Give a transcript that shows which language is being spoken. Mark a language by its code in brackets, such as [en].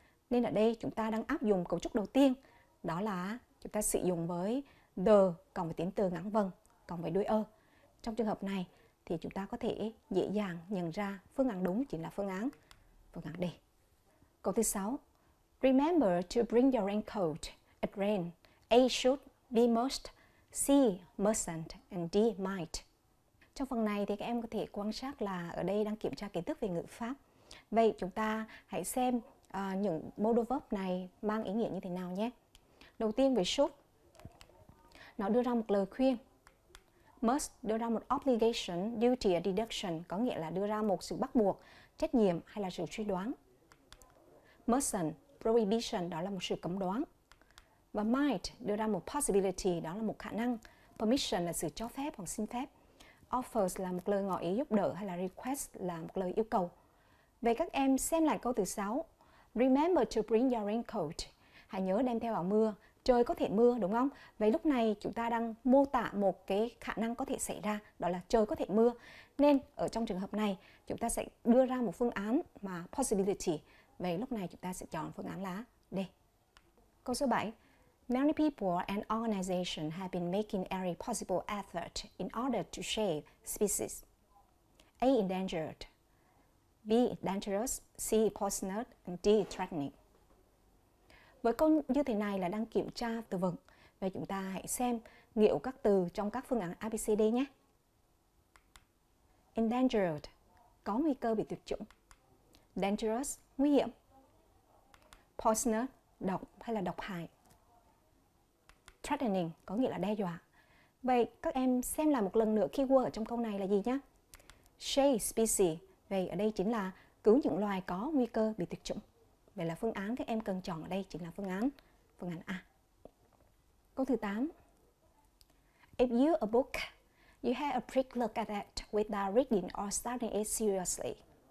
[vi] Nên ở đây chúng ta đang áp dụng cấu trúc đầu tiên. Đó là chúng ta sử dụng với the cộng với tính từ ngắn vần cộng với đuôi a. Trong trường hợp này thì chúng ta có thể dễ dàng nhận ra phương án đúng chính là phương án D. Câu thứ 6. [en] Remember to bring your raincoat. It rain. A should, B must, C mustn't and D might. [vi] Trong phần này thì các em có thể quan sát là ở đây đang kiểm tra kiến thức về ngữ pháp. Vậy chúng ta hãy xem những modal verb này mang ý nghĩa như thế nào nhé. Đầu tiên về should. Nó đưa ra một lời khuyên. Must đưa ra một [en] obligation, duty or deduction, [vi] có nghĩa là đưa ra một sự bắt buộc, trách nhiệm hay là sự suy đoán. Mustn't, prohibition, đó là một sự cấm đoán. Và might đưa ra một possibility, đó là một khả năng. Permission là sự cho phép hoặc xin phép. Offers là một lời ngỏ ý giúp đỡ hay là request là một lời yêu cầu. Vậy các em xem lại câu thứ 6. [en] Remember to bring your raincoat. [vi] Hãy nhớ đem theo áo mưa. Trời có thể mưa đúng không? Vậy lúc này chúng ta đang mô tả một cái khả năng có thể xảy ra, đó là trời có thể mưa. Nên ở trong trường hợp này chúng ta sẽ đưa ra một phương án mà possibility. Vậy lúc này chúng ta sẽ chọn phương án là D. Câu số 7. [en] Many people and organizations have been making every possible effort in order to save species. A. Endangered. B. Dangerous. C. Poisonous. And D. Threatening. [vi] Với câu như thế này là đang kiểm tra từ vựng. Vậy chúng ta hãy xem nghĩa của các từ trong các phương án ABCD nhé. Endangered. Có nguy cơ bị tuyệt chủng. Dangerous. Nguy hiểm. Poisonous. Độc hay là độc hại. Threatening có nghĩa là đe dọa. Vậy các em xem lại một lần nữa keyword ở trong câu này là gì nhé? Save species. Vậy ở đây chính là cứu những loài có nguy cơ bị tuyệt chủng. Vậy là phương án các em cần chọn ở đây chính là phương án A. Câu thứ 8. [en] If you a book, you have a quick look at it without reading or studying it seriously.